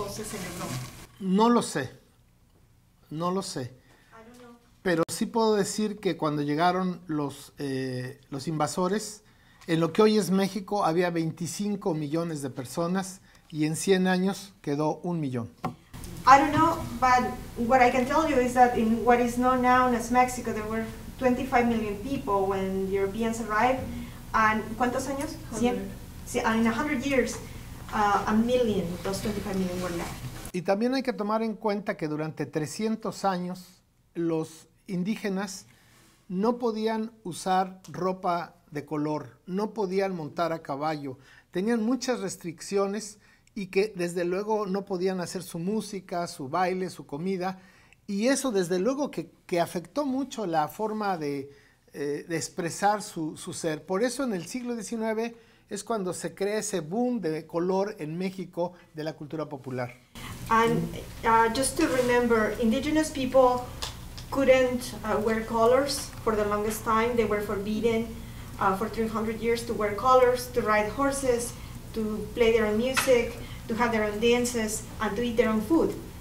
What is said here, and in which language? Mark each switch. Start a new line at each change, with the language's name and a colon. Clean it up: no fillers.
Spanish: ¿O se celebró? No lo sé. Pero sí puedo decir que cuando llegaron los invasores, en lo que hoy es México había 25 millones de personas, y en 100 años quedó 1 million.
English: I don't know, but what I can tell you is that in what is known as Mexico, there were 25 million people when the Europeans arrived. And
Spanish: ¿cuántos años?
English: 100. In 100 years, a million, those 25 million were left.
Spanish: Y también hay que tomar en cuenta que durante 300 años, los indígenas no podían usar ropa de color, no podían montar a caballo, tenían muchas restricciones, y que desde luego no podían hacer su música, su baile, su comida, y eso desde luego que afectó mucho la forma de expresar su ser. Por eso en el siglo XIX es cuando se crea ese boom de color en México de la cultura popular.
English: And just to remember, indigenous people couldn't wear colors for the longest time. They were forbidden for 300 years to wear colors, to ride horses, to play their own music, to have their own dances, and to eat their own food.